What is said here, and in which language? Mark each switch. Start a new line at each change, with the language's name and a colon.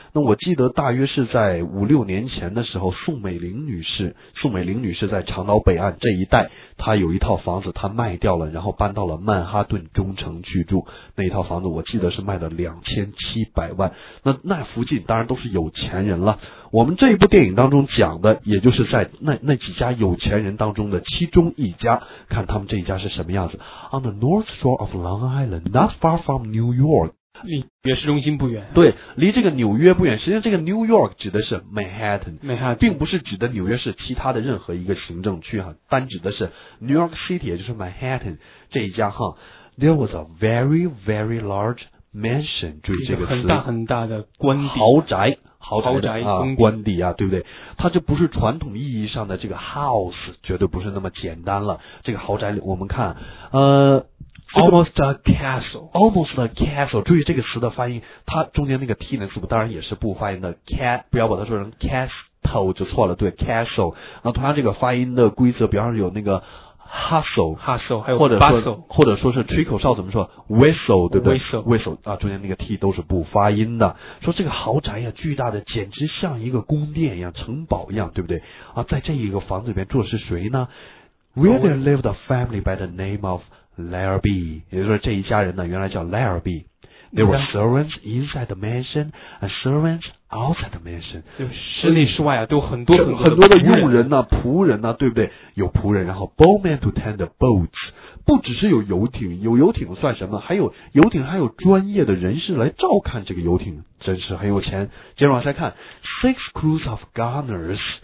Chinese: 那我记得大约是在五六年前的时候，宋美龄女士在长岛北岸这一带，她有一套房子她卖掉了，然后搬到了曼哈顿中城居住，那一套房子我记得是卖了2700万。那附近当然都是有钱人了。我们这一部电影当中讲的，也就是在那几家有钱人当中的其中一家，看他们这一家是什么样子。
English: On the North Shore of Long Island, not far from New York，
Chinese: 离纽约市中心不远。对，离这个纽约不远。实际上，这个 New York 指的是
English: Manhattan，
Chinese: 并不是指的纽约市其他的任何一个行政区哈，单指的是 New York City， 也就是 Manhattan 这一家哈。
English: There was a very very large mansion，注意这个词，
Chinese: 很大很大的官邸豪宅。豪宅啊，官邸啊，对不对？它就不是传统意义上的这个 house， 绝对不是那么简单了。这个豪宅，我们看，
English: almost a castle，
Chinese: almost a castle。注意这个词的发音，它中间那个 t 呢，字母当然也是不发音的 ，cat 不要把它说成 castle 就错了，对 ，castle。那同样这个发音的规则，比方说有那个
English: hustle 还有 bustle，
Chinese: 或者说是吹口哨怎么说 whistle 对不对
English: whistle
Chinese: 啊，中间那个 t 都是不发音的。说这个豪宅呀，巨大的，简直像一个宫殿一样，城堡一样，对不对啊？在这一个房子里面住的是谁呢？
English: Where they live the family by the name of Larrabee，也就是说这一家人呢原来叫 Larrabee。 There were servants inside the mansion and servants outside the mansion。
Chinese: 室内室外啊，都很多很多很多的佣人呐、啊、仆人呐、啊，对不对？有仆人，然后 bowmen to tend the boats，不只是有游艇，有游艇算什么？还有游艇，还有专业的人士来照看这个游艇，真是很有钱。接着往下看 ， six crews of gunners。